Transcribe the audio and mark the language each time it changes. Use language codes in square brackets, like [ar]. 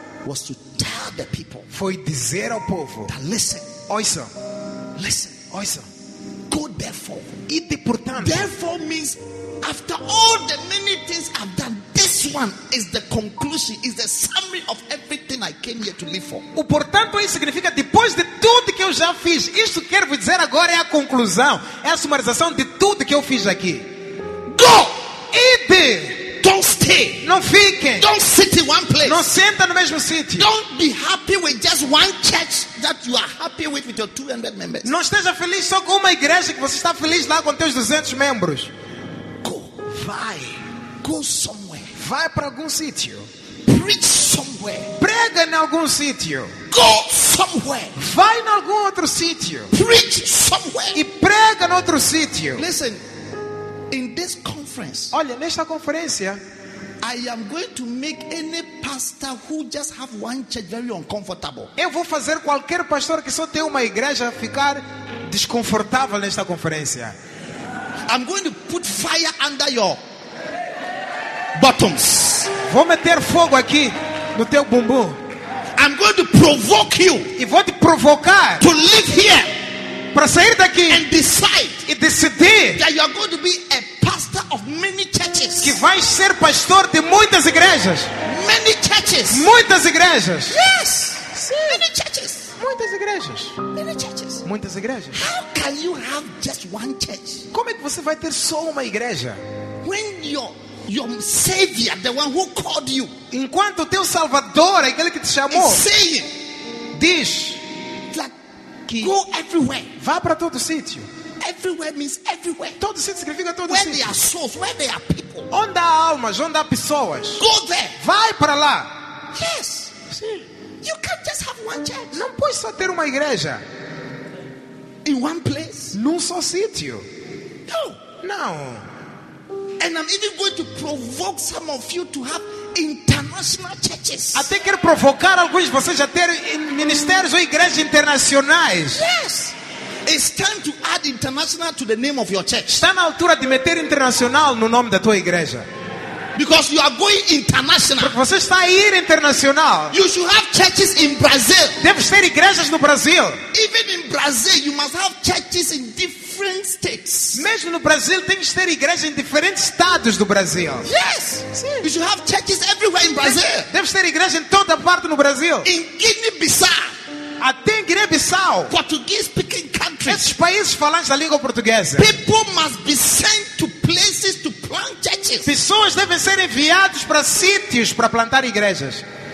[en] Was to tell the people. [pt] Foi dizer ao povo. [en] That listen. [pt] Ouça. [en] Listen. [pt] Ouça. [en] Go therefore. [pt] Ide portanto. [en] Therefore means after all the many things I've done, this one is the conclusion, is the summary of everything I came here to live for. [pt] O portanto aí significa depois de tudo que eu já fiz. Isso que quero dizer agora é a conclusão, é a sumarização de tudo que eu fiz aqui. [en] Go. [pt] Ide. [en] Don't stay. [pt] Não fique. [en] Don't sit in one place. [pt] Não senta no mesmo sítio. [en] Don't be happy with just one church that you are happy with your 200 members. [pt] Não esteja feliz só com uma igreja que você está feliz lá com teus 200 membros. [en] Go. [pt] Vai. [en] Go somewhere. [pt] Vai para algum sítio. [en] Preach somewhere. [pt] Prega em algum sítio. [en] Go somewhere. [pt] Vai em algum outro sítio. [en] Preach somewhere. [pt] E prega em outro sítio. [en] Listen. In this conference, [pt] olha, nesta conferência, [en] I am going to make any pastor who just have one church very uncomfortable. [pt] Eu vou fazer qualquer pastor que só tem uma igreja ficar desconfortável nesta conferência. [en] I'm going to put fire under your bottoms. [pt] Vou meter fogo aqui no teu bumbum. [en] I'm going to provoke you. [pt] E vou te provocar [en] to live here. [pt] Para sair daqui [en] and decide [pt] e decidir [en] that you are going to be a pastor of many churches. [pt] Que vai ser pastor de muitas igrejas. [en] Many churches. [pt] Muitas igrejas. [en] Yes. [pt] Sim. [en] Many churches. [pt] Muitas igrejas. [en] Many churches. [pt] Muitas igrejas. [en] How can you have just one church? [pt] Como é que você vai ter só uma igreja? [en] When your savior, the one who called you. [pt] Enquanto o teu salvador, aquele que te chamou, [en] saying, [pt] diz [en] like, go everywhere. [pt] Vá para todo sítio. [en] Everywhere means everywhere. [pt] Todo sítio significa todo sítio. [en] Where there are souls, where there are people. [pt] Onde há almas, onde há pessoas. [en] Go there. [pt] Vai para lá. [en] Yes. [pt] Sim. [en] You can't just have one church. [pt] Não pode só ter uma igreja. [en] In one place. [pt] Num só sítio. [en] No. [pt] Não. [en] And I'm even going to provoke some of you to have international churches. [pt] Até quero provocar alguns de vocês a ter ministérios ou igrejas internacionais. [en] Yes. It's time to add international to the name of your church. [pt] Está na altura de meter internacional no nome da tua igreja. [en] Because you are going international. [pt] Porque você está a ir internacional. [en] You should have churches in Brazil. [pt] Deve ter igrejas no Brasil. [en] Even in Brazil, you must have churches in different states. [pt] Mesmo no Brasil, tem que ter igrejas em diferentes estados do Brasil. [en] Yes. [pt] Sim. [en] You should have churches everywhere in Brazil. [pt] Deve ter igrejas em toda parte no Brasil. [en] In Guinea-Bissau. [pt] Até Guiné-Bissau. [en] Portuguese speaking country. [pt] Esses países falantes da língua portuguesa. [en] People must be sent to places to plant churches. [pt] Pessoas devem ser enviadas para sítios para plantar igrejas.